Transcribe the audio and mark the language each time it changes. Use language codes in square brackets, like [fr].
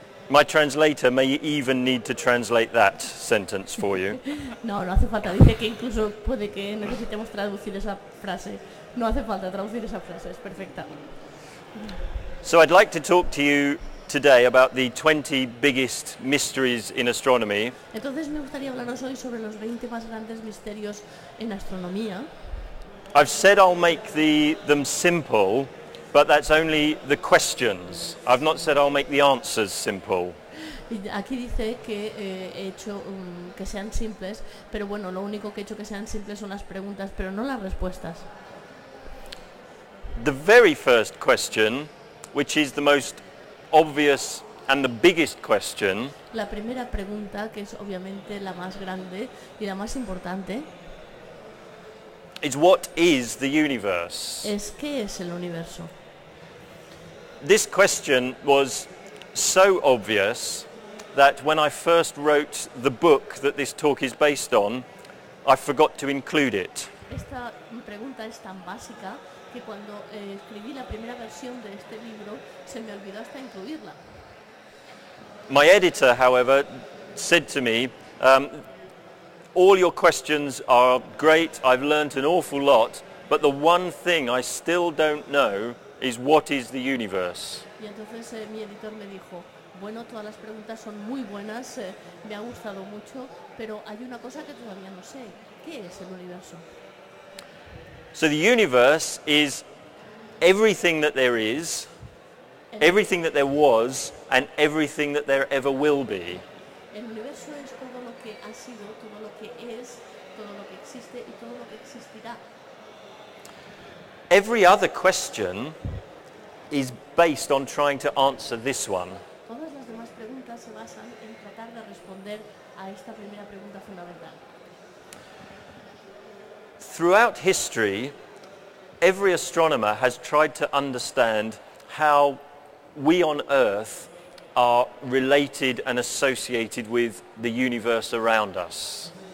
[en] My translator may even need to translate that sentence for you. [es] No, no hace falta. Dice que incluso puede que necesitemos traducir esa frase. No hace falta traducir esa frase. Es perfecta. [en] So I'd like to talk to you today about the 20 biggest mysteries in astronomy. [es] Entonces me gustaría hablaros hoy sobre los 20 más grandes misterios en astronomía. [en] I've said I'll make them simple, but that's only the questions. I've not said I'll make the answers simple. [es] Aquí dice que he hecho que sean simples, pero bueno, lo único que he hecho que sean simples son las preguntas, pero no las respuestas. [en] The very first question, which is the most obvious and the biggest question. [es] La primera pregunta, que es obviamente la más grande y la más importante, [en] is what is the universe? [es] Es qué es el universo. [en] This question was so obvious that when I first wrote the book that this talk is based on, I forgot to include it. [es] Esta pregunta es tan básica que cuando escribí la primera versión de este libro se me olvidó hasta incluirla. [en] My editor, however, said to me, all your questions are great, I've learnt an awful lot, but the one thing I still don't know is what is the universe. [es] Y entonces mi editor me dijo, bueno, todas las preguntas son muy buenas, me ha gustado mucho, pero hay una cosa que todavía no sé, ¿qué es el universo? [en] So the universe is everything that there is, everything that there was, and everything that there ever will be. [es] El universo es todo lo que ha sido, todo lo que es, todo lo que existe y todo lo que existirá. [en] Every other question is based on trying to answer this one. [es] Todas las demás preguntas se basan en tratar de responder a esta primera pregunta fundamental. [en] Throughout history, every astronomer has tried to understand how we on Earth are related and associated with the universe around us.